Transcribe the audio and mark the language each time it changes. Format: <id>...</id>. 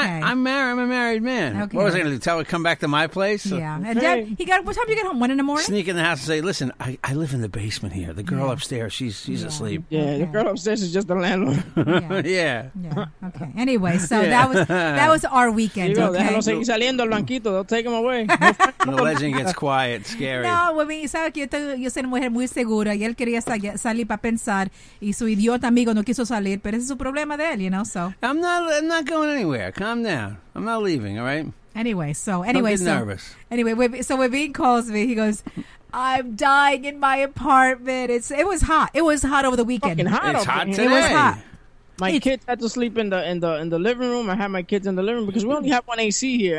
<en>I'm married. I'm a married man. Okay. What was I going to do? Tell her come back to my place? So. Yeah. And okay. Dad, what time did you get home? 1 a.m. Sneak in the house and say, "Listen, I live in the basement here. The girl upstairs, she's asleep." Yeah. Okay. The girl upstairs is just the landlord. Yeah. Okay. Anyway, so that was our weekend. You know, okay.</en> <es>Déjalo seguir saliendo el blanquito.</es> <en>They'll take him away. The legend gets quiet. Scary.</en> <es>No, mami, sabes que yo soy una mujer muy segura y él quería salir. Para pensar, y su idiota amigo no quiso salir, pero ese es su problema de él,</es> <en>you know, so. I'm not going anywhere. Calm down. I'm not leaving, all right? Don't get nervous. Anyway, so Webin calls me. He goes, "I'm dying in my apartment." It was hot. It was hot over the weekend. It's hot today. It was hot. Kids had to sleep in the living room. I had my kids in the living room because we only have one AC here.</en>